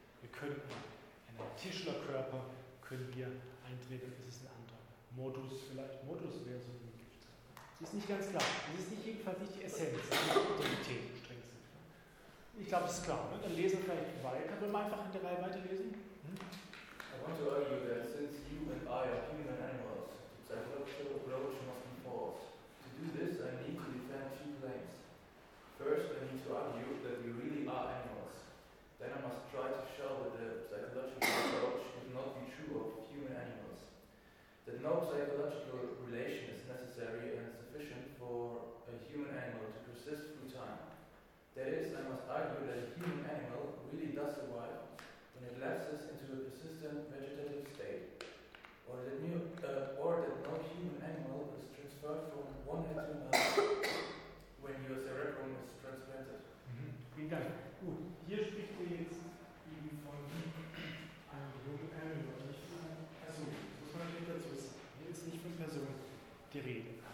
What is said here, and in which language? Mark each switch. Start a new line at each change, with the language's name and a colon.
German: Wir können in einem Tischlerkörper können wir eintreten, das ist ein anderer Modus vielleicht. Modus wäre so ein Gift. Das ist nicht ganz klar. Das ist nicht jedenfalls nicht die Essenz, die Identität im strengsten Sinne. Ich glaube, das ist klar. Ne? Dann lesen wir vielleicht weiter. Können wir mal einfach in der Reihe weiterlesen?
English: I want to argue that since you and I are human animals, the psychological approach must be false. To do this, I need to defend two claims. First, I need to argue that we really are animals. Then I must try to show that the psychological approach would not be true of human animals. That no psychological relation is necessary and sufficient for a human animal to persist through time. That is, I must argue that a human animal really does survive when it lapses into a persistent vegetative state, or that no human animal is transferred from one head to another when your cerebrum is transplanted.
German: Vielen Dank. Gut, hier spricht ihr jetzt eben von einem human animal, nicht von einer Person. Muss man natürlich dazu sagen. Hier ist nicht von Person die Rede.